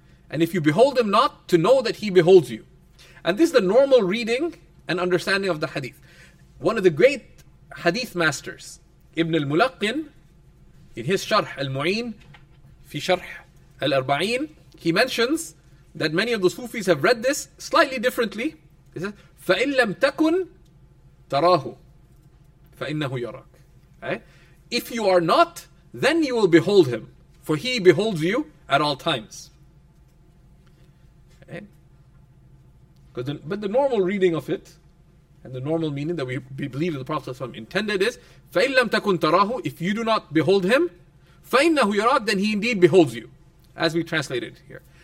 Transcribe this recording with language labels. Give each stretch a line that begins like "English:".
English: And if you behold Him not, to know that He beholds you. And this is the normal reading and understanding of the hadith. One of the great hadith masters, Ibn al-Mulaqqin, in his sharh al-Mu'in, fi sharh al-Arba'in, he mentions that many of the Sufis have read this slightly differently. He says,
Arabic: فَإِنْ لَمْ تَكُنْ تَرَاهُ فَإِنَّهُ يَرَاكُ.
English: If you are not, then you will behold Him, for He beholds you at all times. Okay. But the normal reading of it, and the normal meaning that we believe the Prophet ﷺ intended is,
Arabic: فَإِنْ لَمْ تَكُنْ تَرَاهُ,
English: if you do not behold Him,
Arabic: فَإِنَّهُ يَرَاكُ,
English: then He indeed beholds you, as we translated here.